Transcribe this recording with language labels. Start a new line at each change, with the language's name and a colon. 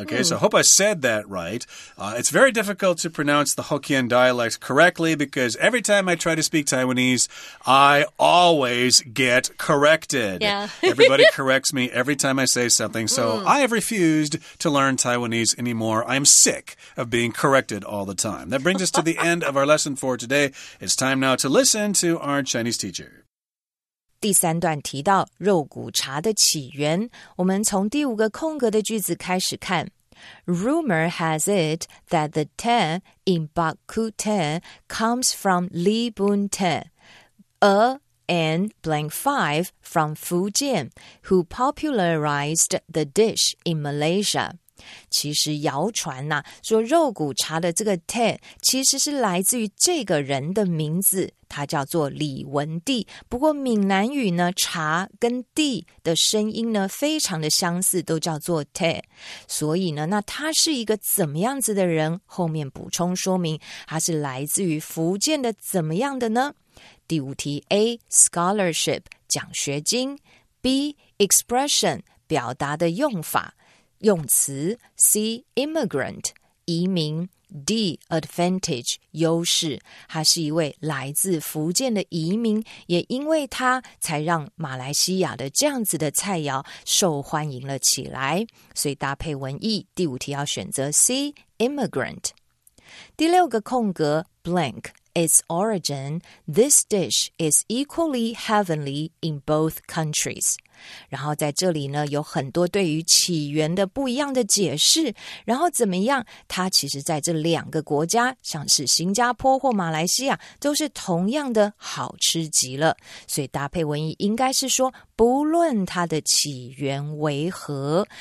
English: Okay, so I hope I said that right. It's very difficult to pronounce the Hokkien dialect correctly because every time I try to speak Taiwanese, I always get corrected. Yeah. Everybody corrects me every time I say something, so I have refused to learn Taiwanese anymore. I'm sick of being corrected all the time. That brings us to the end of our lesson for today. It's time now to listen to our Chinese teacher.
Chinese: 第三段提到肉骨茶的起源，我们从第五个空格的句子开始看。
English: Rumor has it that the teh in Bak Kut Teh comes from Li Bun Teh, and blank five from Fujian, who popularized the dish in Malaysia.
Chinese: 其实谣传啊，说肉骨茶的这个 teh 其实是来自于这个人的名字，他叫做李文帝。不过闽南语呢，茶跟地的声音呢非常的相似，都叫做 teh。所以呢，那他是一个怎么样子的人？后面补充说明，他是来自于福建的怎么样的呢？第五题 A scholarship 奖学金 ，B expression 表达的用法用词 ，C immigrant 移民 ，D advantage 优势。他是一位来自福建的移民，也因为他才让马来西亚的这样子的菜肴受欢迎了起来。所以搭配文意，第五题要选择 C immigrant。第六个空格 blank。
English: Its origin, this dish is equally heavenly in both countries.
Chinese: 然后在这里呢，有很多对于起源的不一样的解释。然后怎么样？它其实在这两个国家，像是新加坡或马来西亚，都是同样的好吃极了。所以搭配文意应该是说，不论它的起源为何。